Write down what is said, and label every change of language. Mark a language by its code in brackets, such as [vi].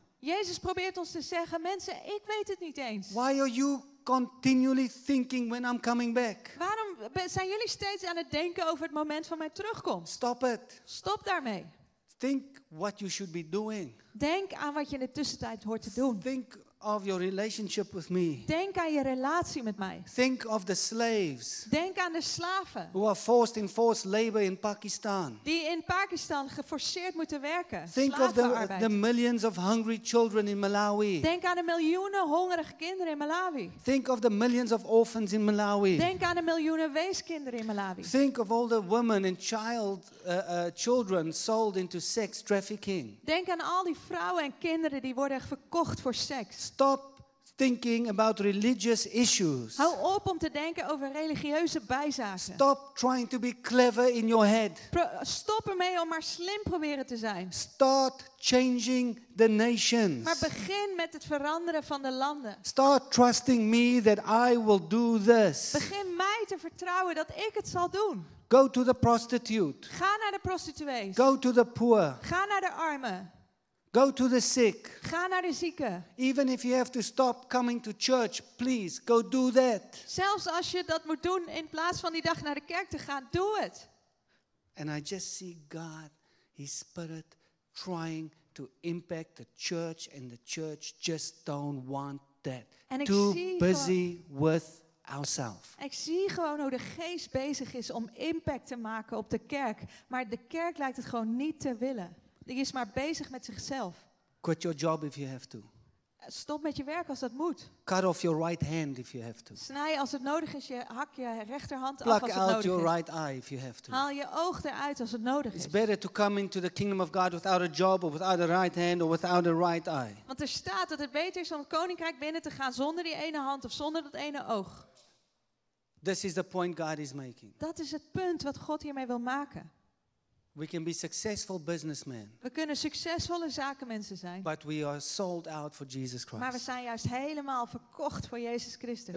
[nl] Jezus probeert ons te zeggen, mensen, ik weet het niet eens. [en] Why are you continually thinking when I'm coming back? [nl] Waarom zijn jullie steeds aan het denken over het moment van mijn terugkomst? [en] Stop it. [nl] Stop daarmee. [en] Think what you should be doing. [nl] Denk aan wat je in de tussentijd hoort te doen. [en] Think of your relationship with me. [nl] Denk aan je relatie met mij. [en] Think of the slaves. [nl] Denk aan de slaven. [en] Who are forced in forced labor in Pakistan. [nl] Die in Pakistan geforceerd moeten werken. [en] Think of the millions of hungry children in Malawi. [nl] Denk aan de miljoenen hongerige kinderen in Malawi. [en] Think of the millions of orphans in Malawi. [nl] Denk aan de miljoenen weeskinderen in Malawi. [en] Think of all the women and children sold into sex trafficking. [nl] Denk aan al die vrouwen en kinderen die worden verkocht voor seks. [en] Stop thinking about religious issues. [nl] Hou op om te denken over religieuze bijzaken. [en] Stop trying to be clever in your head. [nl] Stop ermee om maar slim proberen te zijn. [en] Start changing the nations. [nl] Maar begin met het veranderen van de landen. [en] Start trusting me that I will do this. [nl] Begin mij te vertrouwen dat ik het zal doen. [en] Go to the prostitute. [nl] Ga naar de prostituees. [en] Go to the poor. [nl] Ga naar de armen. [en] Go to the sick. [nl] Ga naar de zieken. [en] Even if you have to stop coming to church, please go do that. [nl] Zelfs als je dat moet doen in plaats van die dag naar de kerk te gaan, doe het. [en] And I just see God, His Spirit, trying to impact the church, and the church just don't want that. And too busy with ourselves. [nl] Ik zie gewoon hoe de Geest bezig is om impact te maken op de kerk, maar de kerk lijkt het gewoon niet te willen. Die is maar bezig met zichzelf. [en] Quit your job if you have to. [nl] Stop met je werk als dat moet. [en] Cut off your right hand if you have to. [nl] Snij als het nodig is je hak je rechterhand [en] Pluck [nl] af als het [en] out your [nl] is. [en] Right eye if you have to. [nl] Haal je oog eruit als het nodig [en] It's [nl] is. [en] Better to come into the kingdom of God without a job or without a right hand or without a right eye. [nl] Want er staat dat het beter is om het koninkrijk binnen te gaan zonder die ene hand of zonder dat ene oog. [en] This is the point God is making. [nl] Dat is het punt wat God hiermee wil maken. [en] We can be successful businessmen. [nl] We kunnen succesvolle zakenmensen zijn. [en] But we are sold out for Jesus Christ. [nl] Maar we zijn juist helemaal verkocht voor Jezus Christus.